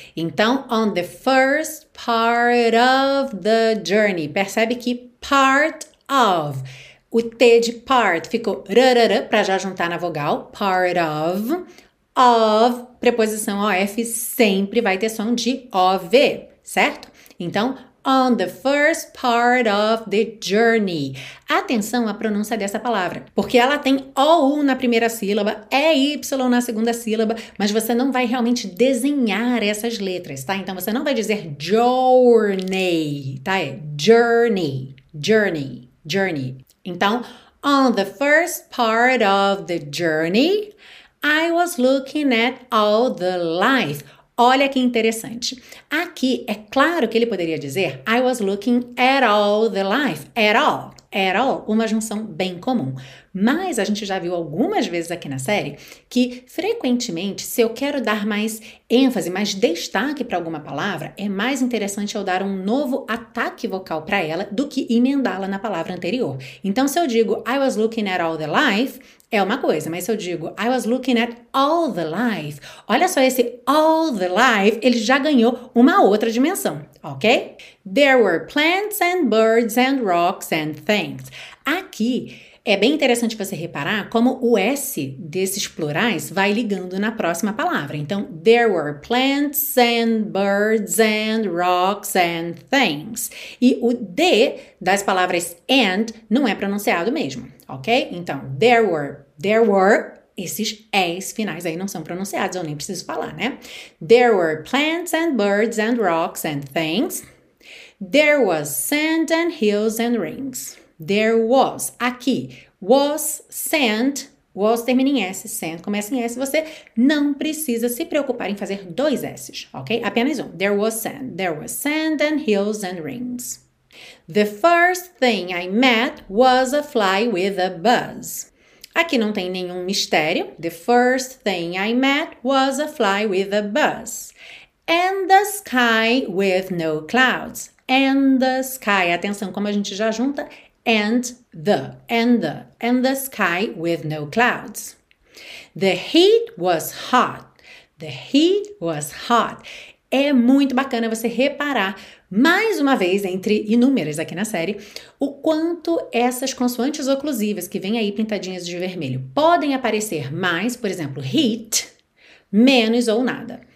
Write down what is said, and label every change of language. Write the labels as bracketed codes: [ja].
[en] Então, on the first part of the journey. [pt] Percebe que part of, o T de part ficou rarara para já juntar na vogal, part of, preposição OF sempre vai ter som de OV, certo? [en] Então, on the first part of the journey. [pt] Atenção à pronúncia dessa palavra, porque ela tem OU na primeira sílaba, EY na segunda sílaba, mas você não vai realmente desenhar essas letras, tá? Então você não vai dizer journey, tá? [en] É journey, journey, journey. Então, on the first part of the journey, I was looking at all the life. [pt] Olha que interessante. Aqui é claro que ele poderia dizer [en] I was looking at all the life. [pt] At all, uma junção bem comum. Mas a gente já viu algumas vezes aqui na série que, frequentemente, se eu quero dar mais ênfase, mais destaque para alguma palavra, é mais interessante eu dar um novo ataque vocal para ela do que emendá-la na palavra anterior. Então, se eu digo [en] I was looking at all the life, [pt] é uma coisa, mas se eu digo I was looking at all the life, olha só esse all the life, ele já ganhou uma outra dimensão, ok? [en] There were plants and birds and rocks and things. [pt] Aqui é bem interessante você reparar como o S desses plurais vai ligando na próxima palavra. [en] Então, there were plants and birds and rocks and things. [pt] E o D das palavras and não é pronunciado mesmo, ok? Então, there were, esses S finais aí não são pronunciados, eu nem preciso falar, né? [en] There were plants and birds and rocks and things. There was sand and hills and rings. [pt] There was, aqui, was sand, was termina em S, sand começa em S, você não precisa se preocupar em fazer dois S's, ok? Apenas um. [en] There was sand and hills and rings. The first thing I met was a fly with a buzz. [pt] Aqui não tem nenhum mistério. [en] The first thing I met was a fly with a buzz. And the sky with no clouds. And the sky, [pt] atenção, como a gente já junta, [en] and the sky with no clouds. The heat was hot. The heat was hot. [pt] É muito bacana você reparar mais uma vez, entre inúmeras aqui na série, o quanto essas consoantes oclusivas que vêm aí pintadinhas de vermelho podem aparecer mais, por exemplo, heat, menos ou nada.